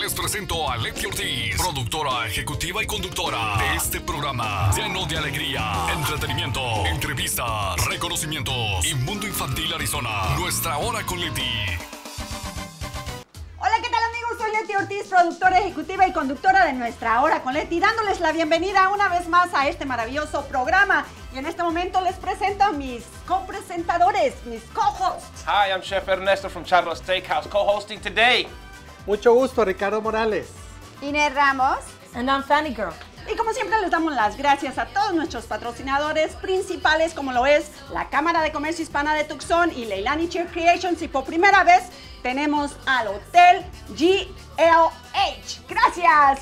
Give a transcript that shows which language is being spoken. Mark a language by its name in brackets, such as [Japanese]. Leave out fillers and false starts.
[Spanish] Les presento a Leti Ortiz, productora ejecutiva y conductora de este programa, lleno de alegría, entretenimiento, entrevistas, reconocimientos y mundo infantil Arizona. Nuestra Hora con Leti. Hola, ¿qué tal, amigos? Soy Leti Ortiz, productora ejecutiva y conductora de Nuestra Hora con Leti, dándoles la bienvenida una vez más a este maravilloso programa. Y en este momento les presento a mis copresentadores, mis co-hosts. [English] Hi, I'm Chef Ernesto from Charlo's Steakhouse, co-hosting today. [Spanish] Mucho gusto, Ricardo Morales. Inés Ramos. [English] And I'm Fanny Girl. [Spanish] Y como siempre les damos las gracias a todos nuestros patrocinadores principales, como lo es la Cámara de Comercio Hispana de Tucson y Leilani Chef Creations. Y por primera vez tenemos al Hotel GLH. Gracias.